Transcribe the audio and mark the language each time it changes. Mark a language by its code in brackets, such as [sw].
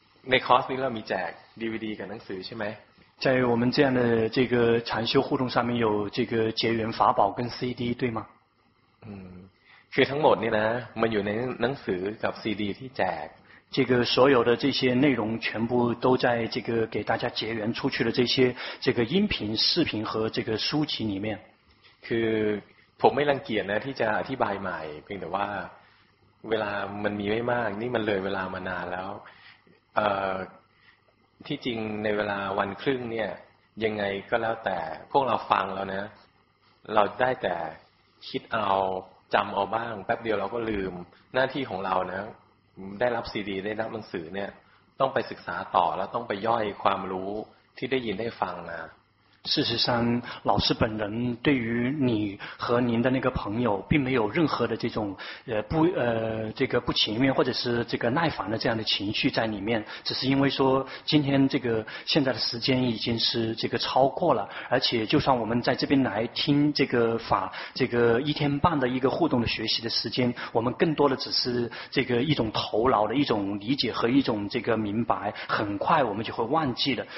[th] ในคอร์สนี้เรามีแจก DVD กับหนังสือใช่ไหม [zh] 在我们这样的这个禅修互动上面有这个结缘法宝跟 CD 对吗 [th] คือทั้งหมดนี่นะมันอยู่ในหนังสือกับ CD ที่แจก [zh] 这个所有的这些内容全部都在这个给大家结缘出去的这些这个音频视频和这个书籍里面 [th] คือผมไม่รังเกียจนะที่จะอธิบายใหม่เพียงแต่ว่าเวลามันมีไม่มากนี่มันเลยเวลามานานแล้วที่จริงในเวลาวันครึ่งเนี่ยยังไงก็แล้วแต่พวกเราฟังแล้วนะเราได้แต่คิดเอาจำเอาบ้างแป๊บเดียวเราก็ลืมหน้าที่ของเรานะได้รับซีดีได้รับหนังสือเนี่ยต้องไปศึกษาต่อแล้วต้องไปย่อยความรู้ที่ได้ยินได้ฟังนะ [zh] 事实上老师本人对于你和您的那个朋友并没有任何的这种不情愿或者是这个耐烦的这样的情绪在里面只是因为说今天这个现在的时间已经是这个超过了而且就算我们在这边来听这个法这个1.5天的一个互动的学习的时间我们更多的只是这个一种头脑的一种理解和一种这个明白很快我们就会忘记了